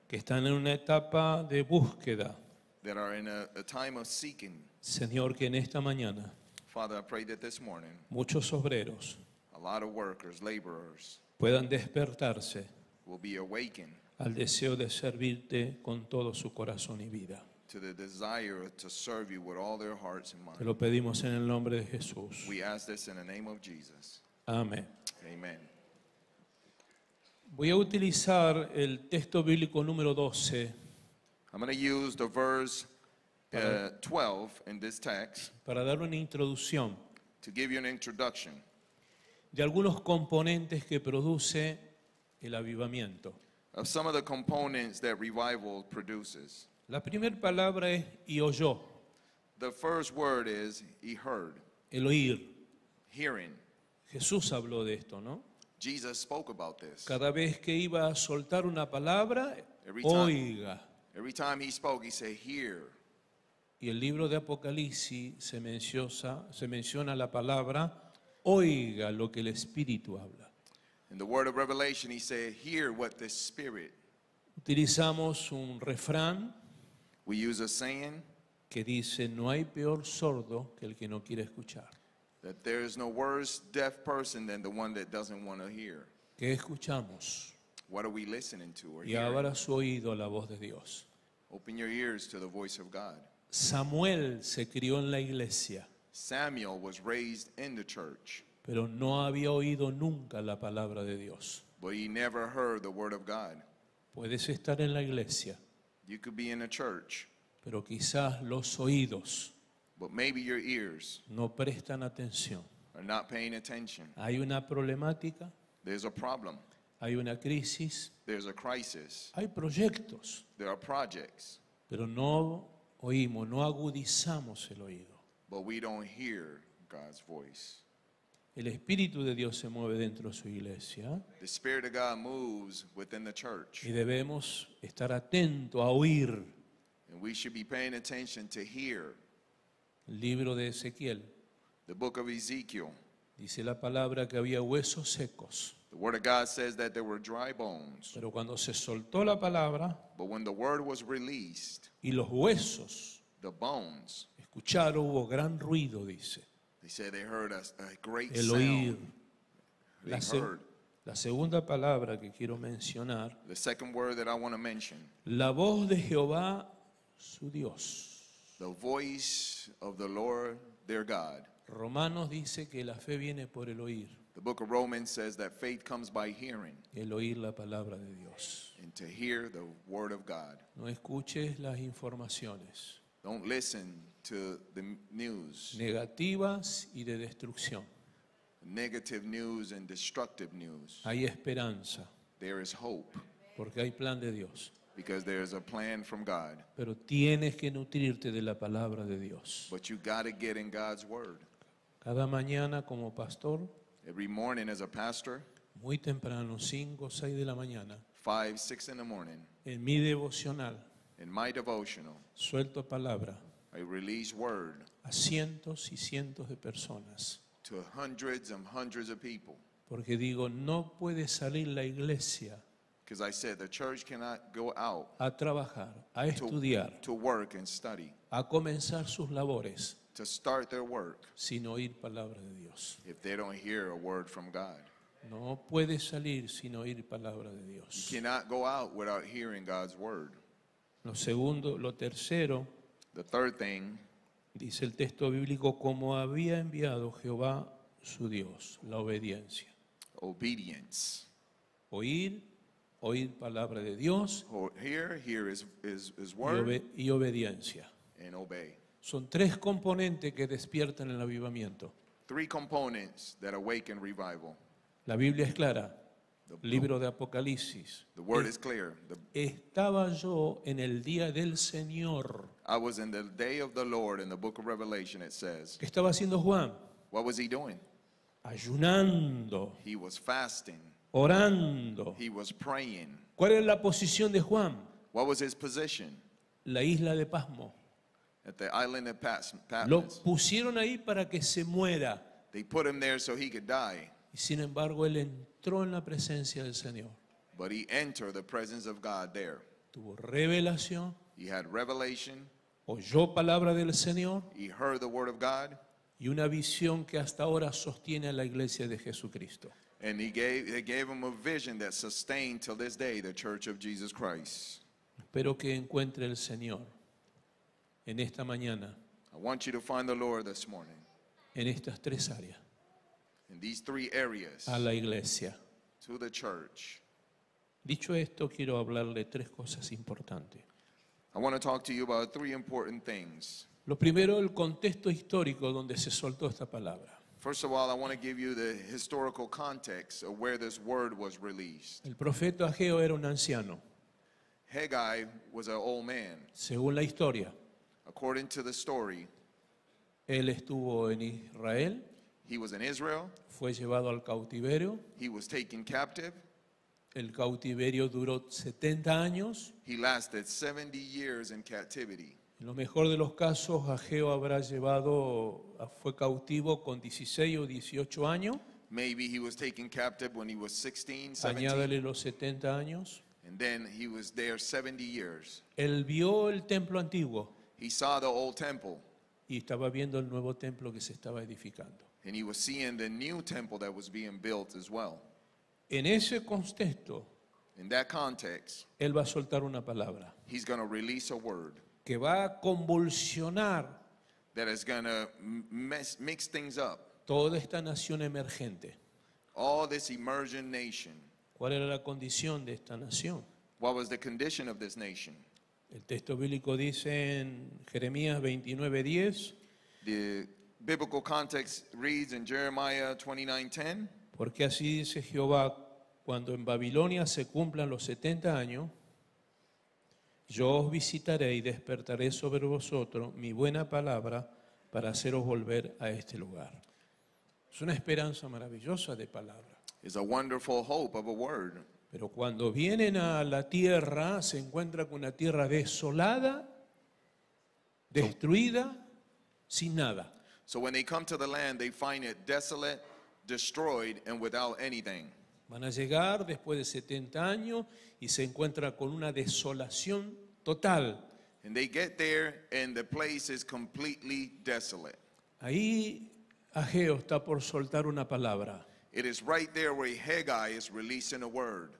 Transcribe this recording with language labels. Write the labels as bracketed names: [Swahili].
[Spanish] que están en una etapa de búsqueda, [English] that are in a time of seeking. [Spanish] Señor, que en esta mañana, [English] Father, I pray that this morning, [Spanish] muchos obreros, [English] a lot of workers, laborers, [Spanish] puedan despertarse, [English] will be awakened, [Spanish] al deseo de servirte con todo su corazón y vida. [English] To the desire to serve you with all their hearts and minds. [Spanish] Te lo pedimos en el nombre de Jesús. [English] We ask this in the name of Jesus. [Spanish] Amen. [English] Amen. [Spanish] Voy a utilizar el texto bíblico número 12. [English] I'm going to use the verse 12 in this text. [Spanish] Para dar una introducción. [English] To give you an introduction. [Spanish] De algunos componentes que produce el avivamiento. [English] Of some of the components that revival produces. [Spanish] La primera palabra es y oyó. [English] The first word is he heard. [Spanish] El oír. [English] Hearing. [Spanish] Jesús habló de esto, ¿no? [English] Jesus spoke about this. [Spanish] Cada vez que iba a soltar una palabra, [English] every [Spanish] oiga. [English] Time, every time he spoke, he said hear. [Spanish] Y el libro de Apocalipsis se menciona la palabra oiga lo que el Espíritu habla. [English] In the word of Revelation, he said hear what the Spirit. [Spanish] Utilizamos un refrán. [English] We use a saying [Spanish] que dice no hay peor sordo que el que no quiere escuchar. [English] That there is no worse deaf person than the one that doesn't want to hear. [Spanish] ¿Qué escuchamos? [English] What are we listening to or [Spanish] y [English] hearing? [Spanish] Y abra su oído a la voz de Dios. [English] Open your ears to the voice of God. [Spanish] Samuel se crió en la iglesia. [English] Samuel was raised in the church. [Spanish] Pero no había oído nunca la palabra de Dios. [English] But he never heard the word of God. [Spanish] Puedes estar en la iglesia. [English] You could be in a church, [Spanish] pero quizás los oídos, [English] but maybe your ears, [Spanish] no prestan atención, [English] are not paying attention. [Spanish] Hay una problemática, [English] there's a problem. [Spanish] Hay una crisis, [English] there's a crisis. [Spanish] Hay proyectos, [English] there are projects. [Spanish] Pero no oímos, no agudizamos el oído, [English] but we don't hear God's voice. [Spanish] El Espíritu de Dios se mueve dentro de su iglesia. [English] The Spirit of God moves within the church. [Spanish] Y debemos estar atentos a oír. [English] And we should be paying attention to hear. [Spanish] El libro de Ezequiel. [English] The book of Ezekiel. [Spanish] Dice la palabra que había huesos secos. [English] The word of God says that there were dry bones. [Spanish] Pero cuando se soltó la palabra. [English] But when the word was released. [Spanish] Y los huesos. [English] The bones. [Spanish] Escucharon, hubo gran ruido, dice. [English] They said they heard a great [Spanish] el oír. [English] Sound. They heard. [Spanish] La segunda palabra que quiero mencionar. [English] The second word that I want to mention. [Spanish] La voz de Jehová, su Dios. [English] The voice of the Lord, their God. [Spanish] Romanos dice que la fe viene por el oír. [English] The book of Romans says that faith comes by hearing. [Spanish] El oír la palabra de Dios. [English] And to hear the word of God. [Spanish] No escuches las informaciones. [English] Don't listen to the news. [Spanish] Negativas y de destrucción. [English] Negative news and destructive news. [Spanish] Hay esperanza. [English] There is hope. [Spanish] Porque hay plan de Dios. [English] Because there is a plan from God. [Spanish] Pero tienes que nutrirte de la palabra de Dios. [English] But you got to get in God's word. [Spanish] Cada mañana como pastor. [English] Every morning as a pastor. [Spanish] Muy temprano, 5 o 6 de la mañana. [English] 5, 6 in the morning. [Spanish] En mi devocional. [English] In my devotional. [Spanish] Suelto palabra. [English] I release word [Spanish] a cientos y cientos de personas [English] to hundreds and hundreds of people [Spanish] Porque digo, no puede salir la iglesia. [English] Because I said the church cannot go out [Spanish] a trabajar, a estudiar, [English] to work and study, [Spanish] a comenzar sus labores, [English] to start their work, [Spanish] sin oír palabra de Dios. [English] If they don't hear a word from God. [Spanish] No puede salir sin oír palabra de Dios. [English] You cannot go out without hearing God's word. [Spanish] Lo segundo, lo tercero, [English] the third thing, [Spanish] dice el texto bíblico, como había enviado Jehová su Dios, la obediencia. [English] Obedience. [Spanish] Oír, oír palabra de Dios. [English] Hear his word. [Spanish] Y obediencia. [English] And obey. [Spanish] Son tres componentes que despiertan el avivamiento. [English] Three components that awaken revival. [Spanish] La Biblia es clara. Libro de Apocalipsis. [English] The word is clear. [Spanish] Estaba yo en el día del Señor. [English] I was in the day of the Lord in the book of Revelation, it says. [Spanish] ¿Qué estaba haciendo Juan? [English] What was he doing? [Spanish] Ayunando. [English] He was fasting. [Spanish] Orando. [English] He was praying. [Spanish] ¿Cuál era la posición de Juan? [English] What was his position? [Spanish] La isla de Pasmo. [English] At the island of Patmos. [Spanish] Lo pusieron ahí para que se muera. [English] They put him there so he could die. [Spanish] Y sin embargo, él entró en la presencia del Señor. [English] But he entered the presence of God there. [Spanish] Tuvo revelación. [English] He had revelation. [Spanish] Oyó palabra del Señor. [English] He heard the word of God. [Spanish] Y una visión que hasta ahora sostiene a la iglesia de Jesucristo. [English] And he gave him a vision that sustained till this day the church of Jesus Christ. [Spanish] Espero que encuentre el Señor en esta mañana. [English] I want you to find the Lord this morning. [Spanish] En estas tres áreas. [English] In these three areas. [Spanish] A la iglesia. [English] To the church. [Spanish] Dicho esto, quiero hablarle tres cosas importantes. [English] I want to talk to you about three important things. [Spanish] Lo primero, el contexto histórico donde se soltó esta palabra. [English] First of all, I want to give you the historical context of where this word was released. [Spanish] El profeta Ageo era un anciano. [English] Haggai was an old man. [Spanish] Según la historia. [English] According to the story. [Spanish] Él estuvo en Israel. [English] He was in Israel. [Spanish] Fue llevado al cautiverio. [English] He was taken captive. [Spanish] El cautiverio duró 70 años. [English] He lasted 70 years in captivity. [Spanish] En lo mejor de los casos, Ageo habrá llevado, fue cautivo con 16 o 18 años. [English] Maybe he was taken captive when he was 16, [Spanish] 17. Añádale los 70 años. [English] And then he was there 70 years. [Spanish] Él vio el templo antiguo. [English] He saw the old temple. [Spanish] Y estaba viendo el nuevo templo que se estaba edificando. [English] And he was seeing the new temple that was being built as well. [Spanish] En ese contexto, [English] in that context, [Spanish] él va a soltar una palabra. [English] He's going to release a word [Spanish] que va a convulsionar, [English] that is going to mix things up, [Spanish] toda esta nación emergente. [English] All this emerging nation. [Spanish] ¿Cuál era la condición de esta nación? [English] What was the condition of this nation? [Spanish] El texto bíblico dice en Jeremías 29:10. [English] The biblical context reads in Jeremiah 29:10. [Spanish] Porque así dice Jehová, cuando en Babilonia se cumplan los 70 años, yo os visitaré y despertaré sobre vosotros mi buena palabra para haceros volver a este lugar. Es una esperanza maravillosa de palabra. [English] It's a wonderful hope of a word. [Spanish] Pero cuando vienen a la tierra, se encuentran con una tierra desolada, destruida, sin nada. [English] So when they come to the land, they find it desolate, destroyed and without anything. [Spanish] Van a llegar después de 70 años y se encuentra con una desolación total. [English] And they get there and the place is completely desolate. [Spanish] Ahí Ageo está por soltar una palabra. [English] It is right there where Haggai is releasing a word.